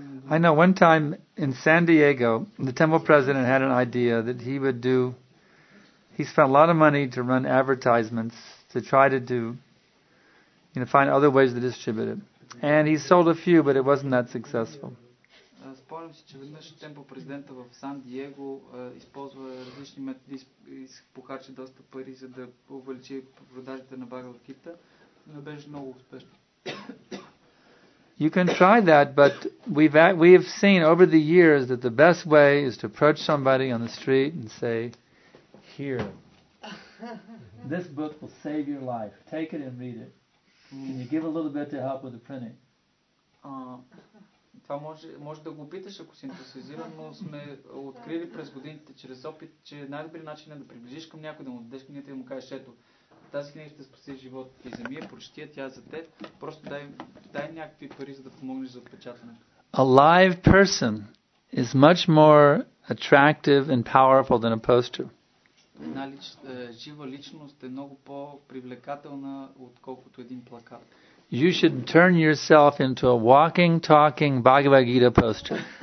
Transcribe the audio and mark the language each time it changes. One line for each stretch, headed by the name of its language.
English: I know one time in San Diego, the temple president had an idea that he would do. He spent a lot of money to run advertisements to try to do, you know, find other ways to distribute it. And he sold a few, but it wasn't that successful.
Bulgarian: Спомням си, че веднъж темпо президента в Сан Диего използва различни методи и похарчи доста пари, за да увеличи продажите на Бхагавад Гита, но беше много успешно.
English: You can try that, but we have seen over the years that the best way is to approach somebody on the street and say, here, this book will save your life. Take it and read it. Can you give a little bit to help with the printing?
Bulgarian: Това може да го питаш, ако си интересизиран, но сме открили през годините чрез опит, че най-добрият начин е да приближиш към някой, да му дадеш книгата и да му кажеш, ето, тази книга ще спаси живот и земя, прочети я, тя за теб, просто дай някакви пари, за да помогнеш за отпечатване.
English: A live person is much more attractive and powerful than a poster.
Bulgarian: Една жива личност е много по-привлекателна, отколкото един плакат.
English: You should turn yourself into a walking, talking Bhagavad Gita poster.